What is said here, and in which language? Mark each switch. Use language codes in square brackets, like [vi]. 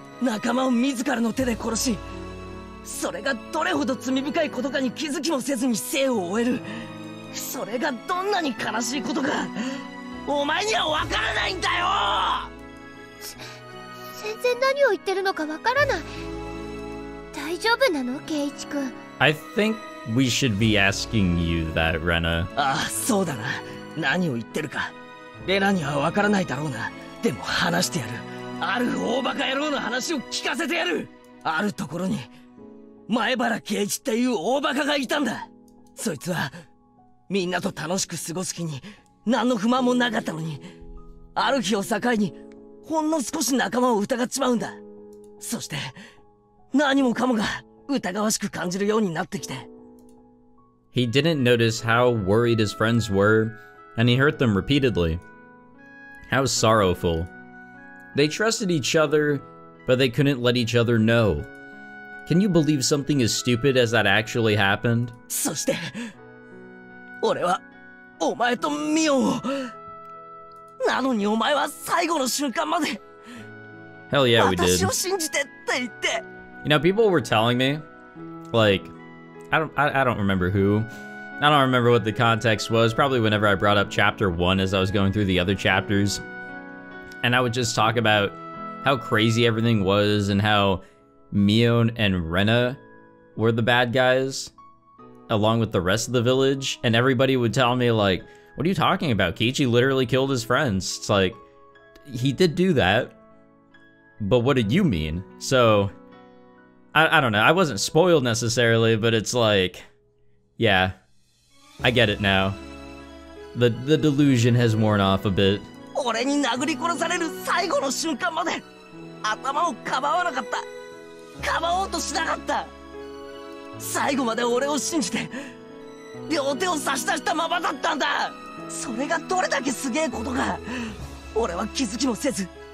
[ja] 仲間を自らの手で殺し、それがどれほど罪深いことかに気づきもせずに生を終える、それがどんなに悲しいことか、お前には分からないんだよ。全然何を言ってるのか分からない。大丈夫なの、ケイチ君？ [en] I think we should be asking you that, Rena. [ja] ああ、そうだな。何を言ってるか、レナには分からないだろうな。でも話してやる。ある大バカ野郎の話を聞かせてやる。あるところに前原啓一っていう大バカがいたんだ。そいつはみんなと楽しく過ごす気に何の不満もなかったのに、ある日を境にほんの少し仲間を疑っちまうんだ。そして何もかもが疑わしく感じるようになってきて。 [en] He didn't notice how worried his friends were, and he hurt them repeatedly. How sorrowful. They trusted each other, but they couldn't let each other know. Can you believe something as stupid as that actually happened? [ja] そして、俺はお前とミオを。なのにお前は最後の瞬間まで。 [en] Hell yeah, we did. [ja] 私を信じてって言って。 [en] You know, people were telling me, like, I don't remember who. I don't remember what the context was. Probably whenever I brought up chapter one as I was going through the other chapters. And I would just talk about how crazy everything was and how Mion and Rena were the bad guys, along with the rest of the village. And everybody would tell me, like, what are you talking about? Keiichi literally killed his friends. It's like, he did do that. But what did you mean? So, I don't know. I wasn't spoiled necessarily, but it's like, yeah, I get it now. The delusion has worn off a bit. [ja] 俺に殴り殺される最後の瞬間まで、頭をかばわなかった。かばおうとしなかった。最後まで俺を信じて両手を差し出したままだったんだ。それがどれだけすげえことか、俺は気づきもせず。